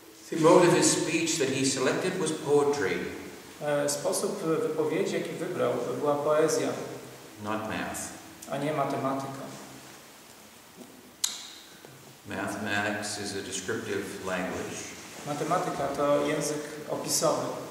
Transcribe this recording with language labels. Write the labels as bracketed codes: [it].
[en] The mode of his speech that he selected was poetry. [pl] Sposób wypowiedzi, jaki wybrał, była poezja. [en] Not math. [pl] A nie matematyka. [en] Mathematics is a descriptive language. [pl] Matematyka to język opisowy.